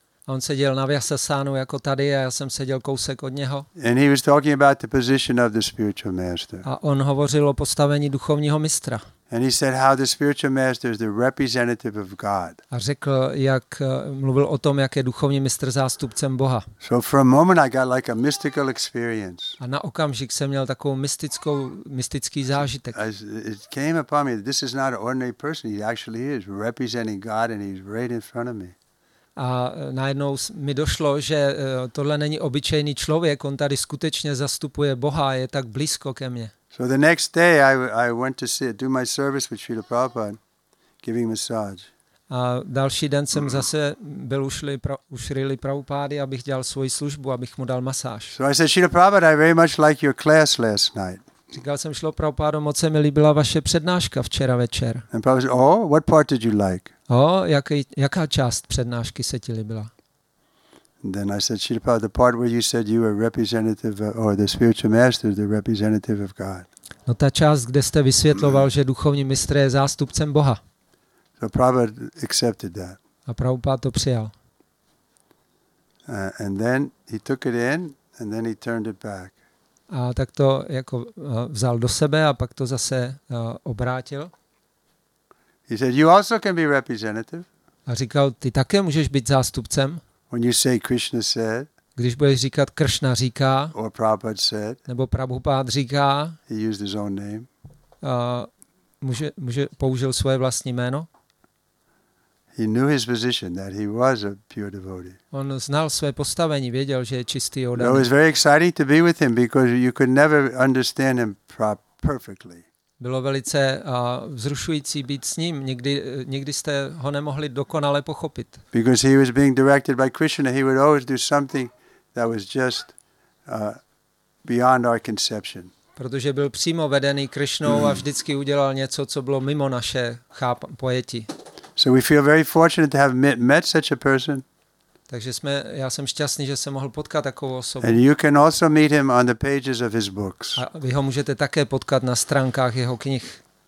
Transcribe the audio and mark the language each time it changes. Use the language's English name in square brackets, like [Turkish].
[Czech] A on seděl na Vyasasánu jako tady a já jsem seděl kousek od něho. [English] And he was talking about the position of the spiritual master. [Czech] A on hovořil o postavení duchovního mistra. [English] And he said how the spiritual master is the representative of God. [Czech] A řekl, jak mluvil o tom, jak je duchovní mistr zástupcem Boha. [English] So for a moment I got like a mystical experience. [Czech] A na okamžik jsem měl takovou mystický zážitek. [English] It came upon me that this is not an ordinary person. He actually is representing God and he's right in front of me. [Czech] A najednou mi došlo, že tohle není obyčejný člověk, on tady skutečně zastupuje Boha, je tak blízko ke mně. [English] So the next day I went to see do my service with Srila Prabhupada giving massage. [Czech] A další den jsem zase byl u Srily Prabhupády, abych dělal svoji službu, abych mu dal masáž. [English] So I said, Srila Prabhupada, I very much like your class last night. [Czech] Říkal jsem Srila Prabhupádo, moc se mi líbila vaše přednáška včera večer. [English] And Prabhupada said, oh, what part did you like? [Czech] Oh, jaká část přednášky se ti líbila? [English] Then I said, Srila Prabhupada, the part where you said you were representative or the spiritual master, the representative of God. [Czech] No ta část, kde jste vysvětloval, že duchovní mistr je zástupcem Boha. [English] So Prabhupada accepted that. [Czech] A Prabhupada to přijal. [English] And then he took it in and then he turned it back. [Czech] A tak to jako vzal do sebe a pak to zase obrátil. [English] He said, you also can be representative. [Czech] A říkal, ty také můžeš být zástupcem. [English] When you say Krishna said, [Czech] když budeš říkat Kršna říká, [English] or Prabhupada said, [Czech] nebo Prabhupád říká, [English] he used his own name. [Czech] Může použil svoje vlastní jméno. [English] He knew his position, that he was a pure devotee. [Czech] On znal své postavení, věděl, že je čistý oddaný. [English] It was very exciting to be with him because you could never understand him perfectly. [Czech] Bylo velice vzrušující být s ním. Nikdy jste ho nemohli dokonale pochopit. [English] Because he was being directed by Krishna, he would always do something that was just beyond our conception. [Czech] Protože byl přímo vedený Krishnou a vždycky udělal něco, co bylo mimo naše pojetí. [English] So we feel very fortunate to have met such a person. [Czech] Takže já jsem šťastný, že jsem mohl potkat takovou osobu. [English] And you can also meet him on the pages of his books. [Czech] A vy ho můžete také potkat na stránkách jeho knih.